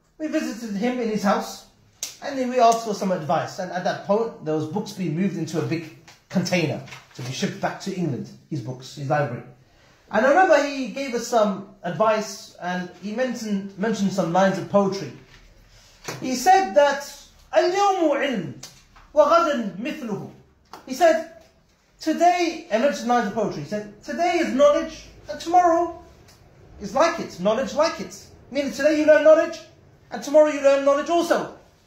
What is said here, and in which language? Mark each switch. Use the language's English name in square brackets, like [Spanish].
[English] We visited him in his house, and then we asked for some advice. And at that point, there was books being moved into a big container to be shipped back to England, his books, his library. And I remember he gave us some advice, and he mentioned some lines of poetry. He said that, [Arabic] أَلْيَوْمُ عِلْمُ وَغَدٍ مِثْلُهُ. [English] He said, today, and mentioned lines of poetry, he said, today is knowledge, and tomorrow is like it, knowledge like it. Meaning today you learn knowledge, and tomorrow you learn knowledge also.